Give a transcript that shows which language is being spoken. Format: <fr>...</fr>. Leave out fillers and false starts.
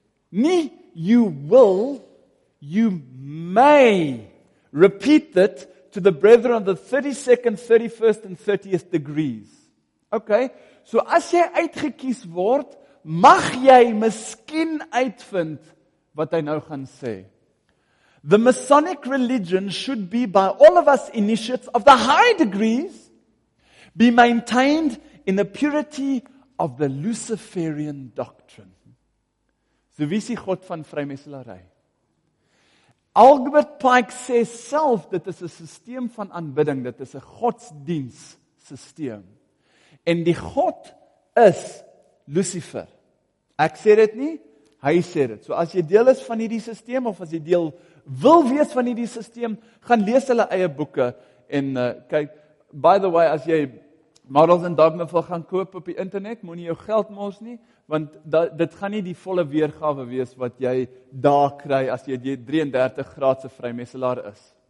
<en>Nie, you will, you may repeat it to the brethren of the 32nd, 31st and 30th degrees.</en> <af>Okay, so as jy uitgekies word, mag jy miskien uitvind wat hy nou gaan sê.</af> <en>The Masonic religion should be by all of us initiates of the high degrees be maintained in the purity of the Luciferian doctrine.</en> <af>So wie is die God van vrymesselary? Albert Pike sê self, dit is 'n systeem van aanbidding, dit is 'n godsdienssysteem. En die God is Lucifer. Ek sê dit nie, hy sê dit. So as jy deel is van hierdie systeem, of as jy deel wil wees van hierdie systeem, gaan lees hulle eie boeke, en kyk,</af> <en>by the way,</en> <af>as jy Models en Dogma wil gaan koop op die internet, moenie jou geld mors nie, want dit gaan nie die volle weergawe wees wat jy daar kry as jy die 33 graadse vrymesselaar is.</af>